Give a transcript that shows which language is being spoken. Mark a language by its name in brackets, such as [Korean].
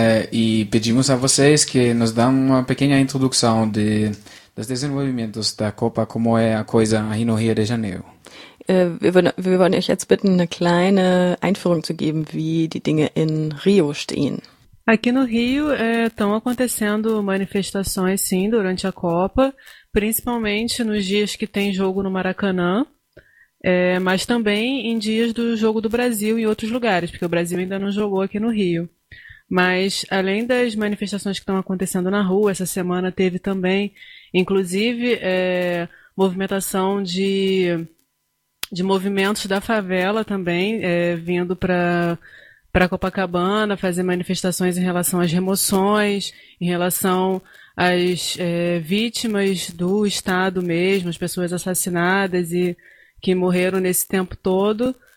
[Portuguese] E pedimos a vocês que nos dão uma pequena introdução de das Desenvolvimentos da Copa, como é a coisa aí no Rio de Janeiro. [German] Wir wollen euch jetzt bitten, eine kleine Einführung zu geben, wie die Dinge in Rio stehen. [Portuguese] Aqui no Rio estão acontecendo manifestações, sim, durante a Copa, principalmente nos dias que tem jogo no Maracanã, mas também em dias do jogo do Brasil em outros lugares, porque o Brasil ainda não jogou aqui no Rio. Mas, além das manifestações que estão acontecendo na rua, essa semana teve também, inclusive, movimentação de movimentos da favela também, vindo para Copacabana fazer manifestações em relação às remoções, em relação às vítimas do Estado mesmo, as pessoas assassinadas e que morreram nesse tempo todo.